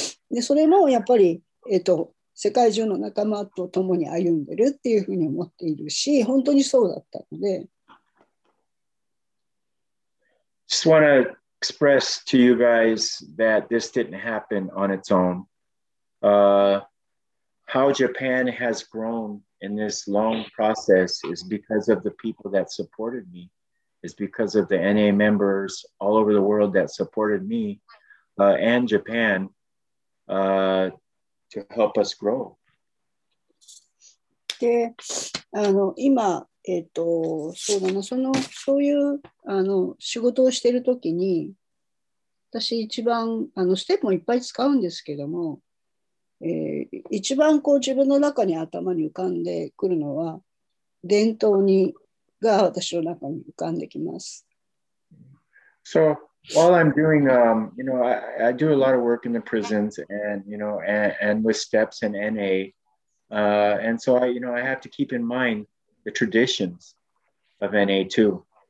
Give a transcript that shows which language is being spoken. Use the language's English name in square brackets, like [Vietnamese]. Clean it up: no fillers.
[Japanese] で、それもやっぱり、世界中の仲間と共に歩んでるっていうふうに思っているし、本当にそうだったので。 [English] Just want to express to you guys that this didn't happen on its own. How Japan has grown in this long process is because of the people that supported me, is because of the NA members all over the world that supported me, and Japan. To help us grow. [Japanese] で、今、そうだな、そういう仕事をしているときに、私一番ステップもいっぱい使うんですけども、一番こう自分の中に頭に浮かんでくるのは伝統にが私の中に浮かんできます。 [English] So while I'm doing, you know, I do a lot of work in the prisons and, you know, and with steps and NA. And so, I, you know, I have to keep in mind the traditions of NA too.